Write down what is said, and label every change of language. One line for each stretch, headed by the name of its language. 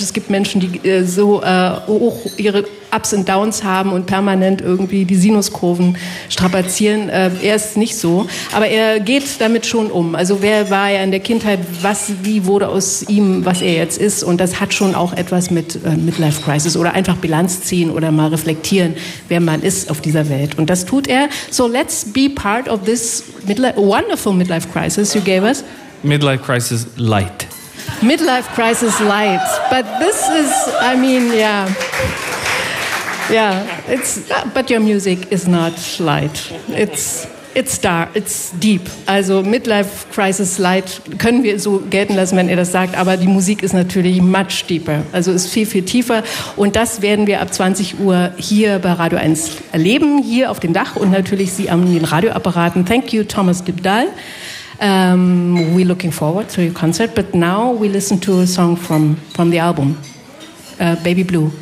German: Es gibt Menschen, die so hoch ihre Ups und Downs haben und permanent irgendwie die Sinuskurven strapazieren. Er ist nicht so. Aber er geht damit schon um. Also wer war er in der Kindheit? Was, wie wurde aus ihm, was er jetzt ist? Und das hat schon auch etwas mit Midlife Crisis oder einfach Bilanz ziehen oder mal reflektieren, wer man ist auf dieser Welt. Und das tut er.
English: So let's be part of this wonderful Midlife Crisis you gave us. Midlife Crisis Light. Midlife Crisis Light. But this is, I mean, yeah. Yeah, it's but your music is not light. It's dark. It's deep.
German: Also Midlife Crisis Light können wir so gelten lassen, wenn ihr das sagt. Aber die Musik ist natürlich
English: much deeper.
German: Also ist viel viel tiefer. Und das werden wir ab 20 Uhr hier bei Radio 1 erleben, hier auf dem Dach und natürlich Sie an den Radioapparaten.
English: Thank you, Thomas Dibdal. We're looking forward to your concert, but now we listen to a song from the album, Baby Blue.